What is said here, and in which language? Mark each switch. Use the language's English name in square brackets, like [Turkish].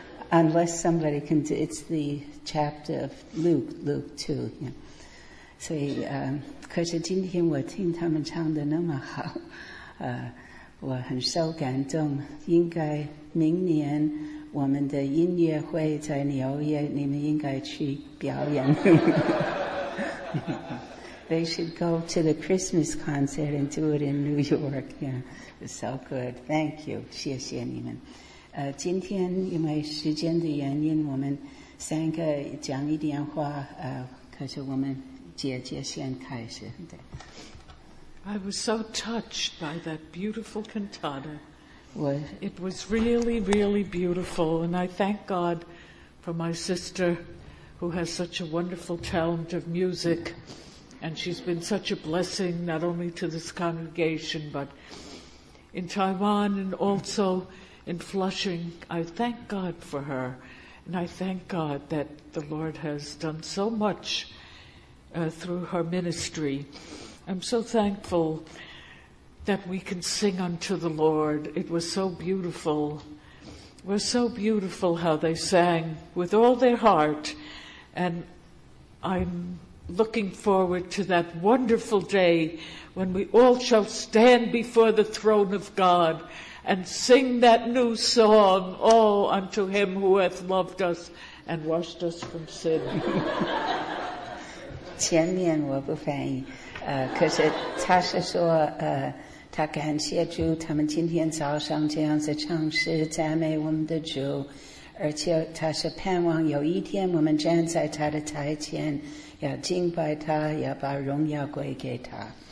[English] Unless somebody can do, it's the chapter of Luke 2. Yeah. [Chinese] 所以，可是今天我听他们唱得那么好，我很受感动。应该明年我们的音乐会在纽约，你们应该去表演。 [English] They should go to the Christmas concert and do it in New York. Yeah, it's so good. Thank you. [Chinese] 谢谢你们。今天因为时间的原因，我们三个讲一点话。可是我们姐姐先开始。对。 [English] I was so touched by that beautiful cantata. What? It was really, really beautiful, and I thank God for my sister, who has such a wonderful talent of music, and she's been such a blessing not only to this congregation but in Taiwan and also. In Flushing, I thank God for her, and I thank God that the Lord has done so much through her ministry. I'm so thankful that we can sing unto the Lord. It was so beautiful. It was so beautiful how they sang with all their heart, and I'm looking forward to that wonderful day when we all shall stand before the throne of God. And sing that new song, Oh, unto him who hath loved us and washed us from sin. [Chinese] 前面我不翻译，可是他是说，他感谢主，他们今天早上这样子唱诗赞美我们的主，而且他是盼望有一天我们站在他的台前，要敬拜他，要把荣耀归给他。